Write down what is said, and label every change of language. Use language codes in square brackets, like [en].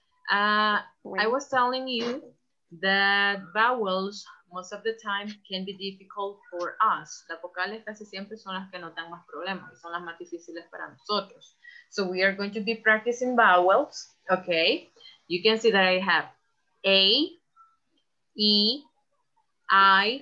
[en] I was telling you that vowels, most of the time, can be difficult for us. [es] Las vocales casi siempre son las que nos dan más problemas, son las más difíciles para nosotros. [en] So we are going to be practicing vowels, okay? You can see that I have A, E, I,